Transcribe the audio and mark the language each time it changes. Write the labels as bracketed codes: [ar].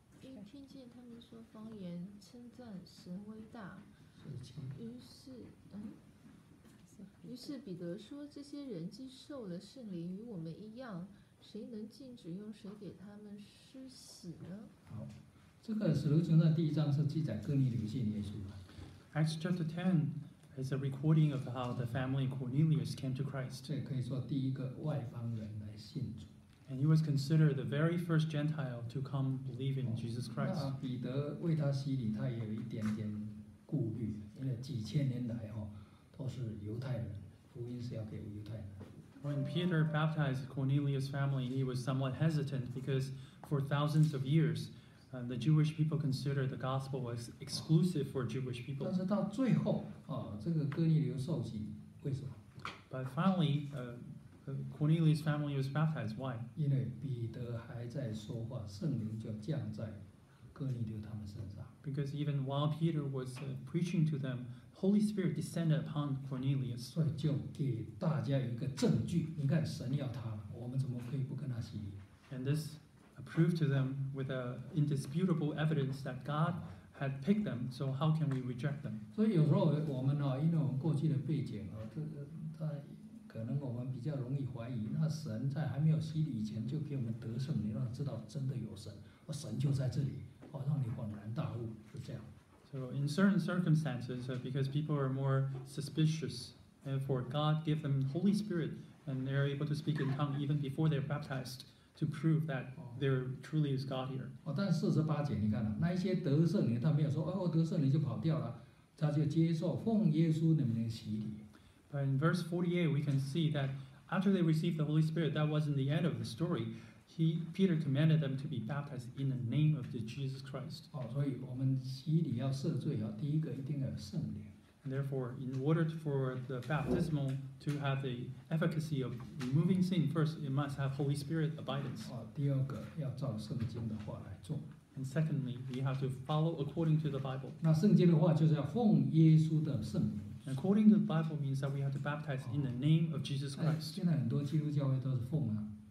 [zh] 因听见他们说方言，称赞神威大，于是彼得说：“这些人既受了圣灵，与我们一样，谁能禁止用水给他们施洗呢？好，这个使徒行传第一章是记载哥尼流信耶稣吗？ [en] Acts chapter 10 is a recording of how the family Cornelius came to Christ. [zh] 这可以说第一个外邦人来信主。 [en] And he was considered the very first Gentile to come believe in Jesus Christ. [zh] 那彼得为他洗礼，他也有一点点顾虑，因为几千年来都是犹太人，福音是要给犹太人。 [en] When Peter baptized Cornelius' family, he was somewhat hesitant because for thousands of years, the Jewish people considered the gospel was exclusive for Jewish people. [zh] 但是到最后，这个哥尼流受洗，为什么？ [en] But finally, Cornelius' family was baptized. Why? [zh] 因为彼得还在说话，圣灵就降在哥尼流他们身上。 [en] Because even while Peter was preaching to them,Holy Spirit descended upon Cornelius. [zh] 所以就给大家一个证据，你看神要他了，我们怎么可以不跟他洗礼？ [en] And this proved to them with an indisputable evidence that God had picked them, so how can we reject them? [zh] 所以有时候我们因为我们过去的背景可能我们比较容易怀疑，那神在还没有洗礼以前就给我们得圣灵，让知道真的有神，神就在这里，让你恍然大悟，是这样。 [en] So in certain circumstances, because people are more suspicious, and for God give them Holy Spirit, and they're able to speak in tongue even before they're baptized to prove that there truly is God here. [zh] 但48节你看那一些得圣灵，他没有说哦得圣灵就跑掉了，他就接受奉耶稣的名洗礼。 [en] But in verse 48, we can see that after they received the Holy Spirit, that wasn't the end of the story. Peter commanded them to be baptized in the name of Jesus Christ. [zh] 所以我们洗礼要赦罪啊，第一个一定要有圣灵。 [en] And therefore, in order for the baptismal to have the efficacy of removing sin, first it must have Holy Spirit abidance. [zh] 第二个要照圣经的话来做。 [en] And secondly, we have to follow according to the Bible. [zh] 那圣经的话就是要奉耶稣的圣名。 [en] According to the Bible means that we have to baptize in the name of Jesus Christ. [zh] 现在很多基督教会都是奉啊。